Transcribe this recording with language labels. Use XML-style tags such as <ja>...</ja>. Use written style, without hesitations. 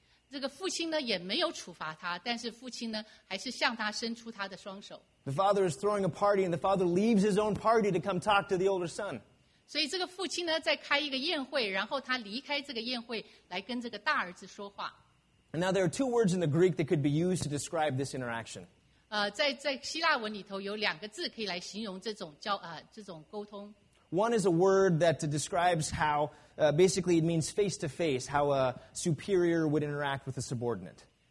<zh>这个父亲呢,也没有处罚他,但是父亲呢,还是向他伸出他的双手。</zh> <en>The father is throwing a party, and the father leaves his own party to come talk to the older son.</en> <zh>所以这个父亲呢,在开一个宴会,然后他离开这个宴会,来跟这个大儿子说话。</zh> <en>And now there are two words in the Greek that could be used to describe this interaction.</en> <zh>在希腊文里头有两个字可以来形容这种沟通。</zh> <en>One is a word that describes how, basically it means face to face, how a superior would interact with a subordinate.</en>